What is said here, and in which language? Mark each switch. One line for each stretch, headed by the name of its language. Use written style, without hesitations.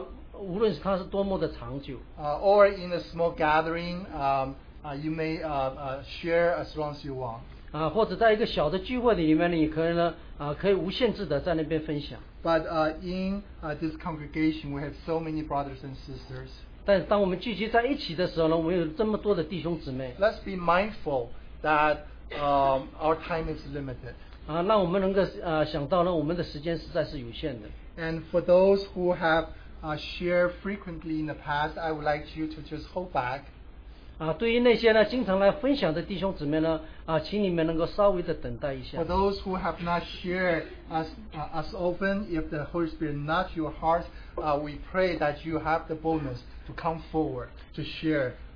Chinese: 你可以呢谈的无论是它是多么的长久
English: or in a small gathering you may share as long as you want
Chinese: 或者在一个小的聚会里面你可以呢可以无限制的在那边分享
English: but in this congregation we have so many brothers and sisters
Chinese: 但当我们聚集在一起的时候呢我们有这么多的弟兄姊妹
English: let's be mindful that our time is limited.
Chinese: 让我们能够想到呢，我们的时间实在是有限的。
English: And for those who have shared frequently in the past, I would like you to just hold back.
Chinese: 对于那些呢经常来分享的弟兄姊妹呢，请你们能够稍微的等待一下。
English: For those who have not shared as often, if the Holy Spirit not your heart, we pray that you have the boldness to come forward to share.